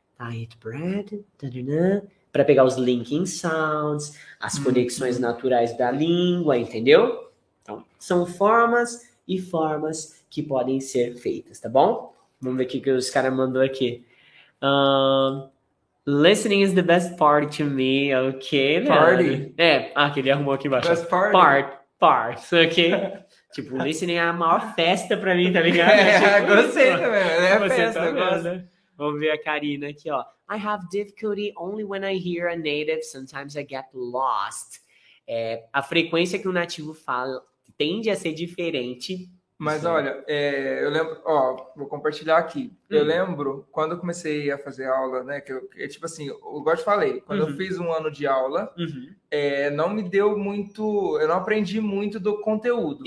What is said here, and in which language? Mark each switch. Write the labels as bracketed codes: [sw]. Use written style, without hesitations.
[en] Diet bread, [pt] tadadã... Para pegar os linking sounds, as conexões naturais da língua, entendeu? Então, são formas e formas que podem ser feitas, tá bom? Vamos ver o que os caras mandou aqui. [en] Listening is the best part to me, ok? Party. [pt] Né? Ele arrumou aqui embaixo. [en] Best party. Part, ok? [pt] Tipo, listening é a maior festa para mim, tá ligado? Gostei também, festa, gosto. Vamos ver a Karina aqui, ó. [en] I have difficulty only when I hear a native, sometimes I get lost. [pt] É, a frequência que o nativo fala tende a ser diferente. Mas sim. Olha, eu lembro, ó, vou compartilhar aqui. Eu lembro, quando eu comecei a fazer aula, né, que eu tipo assim, igual eu te falei, quando eu fiz um ano de aula, não me deu muito, eu não aprendi muito do conteúdo.